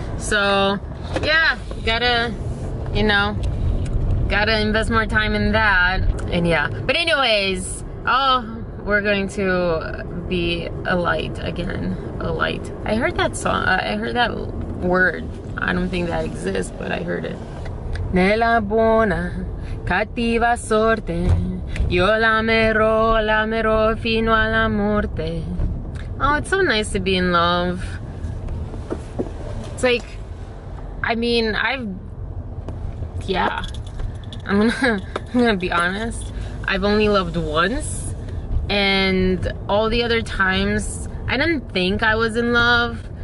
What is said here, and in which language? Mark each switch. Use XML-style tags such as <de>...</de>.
<en>So yeah, gotta invest more time in that. And yeah, but anyways, oh, we're going to be a light again. A light. I heard that song. I heard that word. I don't think that exists, but I heard it.</en> <it>Nella buona cattiva sorte, io l'amerò, l'amerò fino alla morte.</it> <en>Oh, it's so nice to be in love. It's like, I mean, I'm gonna be honest. I've only loved once. And all the other times, I didn't think I was in love.</en>